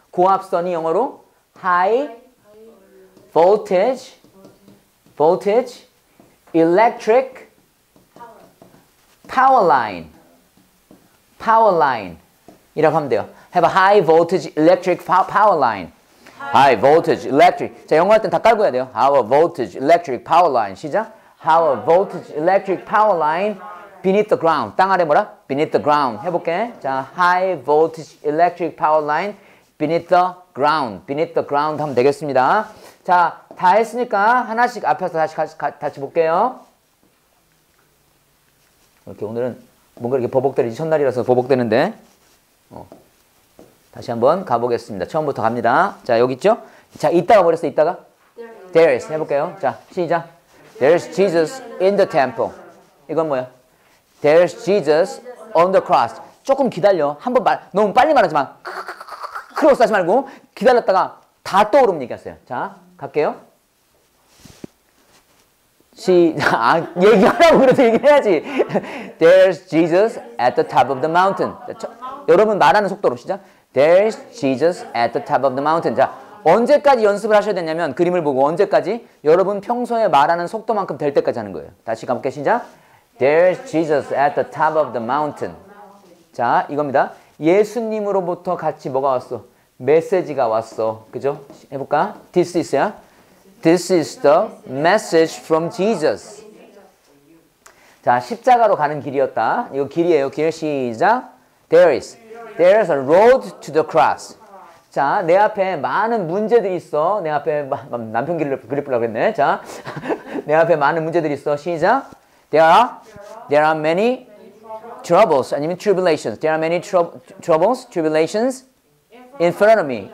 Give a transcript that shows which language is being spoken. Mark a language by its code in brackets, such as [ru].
[ko] 고압선이 영어로 [en] high voltage electric power line [ko] 이라고 하면 돼요. [en] Have a high voltage electric power line. High voltage electric. [ko] 자, 영어할 땐 다 깔고 해야 돼요. [en] How a voltage electric power line. [ko] 시작. [en] How a voltage electric power line beneath the ground. [ko] 땅 아래 뭐라? [en] Beneath the ground. [ko] 해볼게. 자, [en] high voltage electric power line beneath the ground. Beneath the ground [ko] 하면 되겠습니다. 자, 다 했으니까 하나씩 앞에서 다시 볼게요. 이렇게 오늘은 뭔가 이렇게 버벅대는지 첫날이라서 버벅대는데 다시 한번 가보겠습니다. 처음부터 갑니다. 자, 여기 있죠? 자, 이따가 버렸어, 이따가? [en] There is. [ko] 해볼게요. 자, 시작. [en] There is Jesus in the temple. [ko] 이건 뭐야? [en] There is Jesus on the cross. [ko] 조금 기다려. 한번 말, 너무 빨리 말하지 마. 크로스 하지 말고 기다렸다가 다 떠오르면 얘기하세요. 자, 갈게요. 얘기하라고 그래서 얘기해야지. [en] There's Jesus at the top of the mountain. [ko] 자, 여러분 말하는 속도로 시작. [en] There's Jesus at the top of the mountain. [ko] 자, 언제까지 연습을 하셔야 되냐면 그림을 보고 언제까지? 여러분 평소에 말하는 속도만큼 될 때까지 하는 거예요. 다시 가볼게 시작. [en] There's Jesus at the top of the mountain. [ko] 자, 이겁니다. 예수님으로부터 같이 뭐가 왔어? 메시지가 왔어. 그죠? 해볼까? [en] This is ya. This is the message from Jesus. [ko] 자, 십자가로 가는 길이었다. 이거 길이에요. 길 시작. [en] There is a road to the cross. [ko] 자, 내 앞에 많은 문제들이 있어. 내 앞에 남편 길을 그리려고 그랬네. 자, 내 앞에 많은 문제들이 있어. 시작. [en] There are many troubles. 아니면 tribulations. There are many troubles, tribulations in front of me.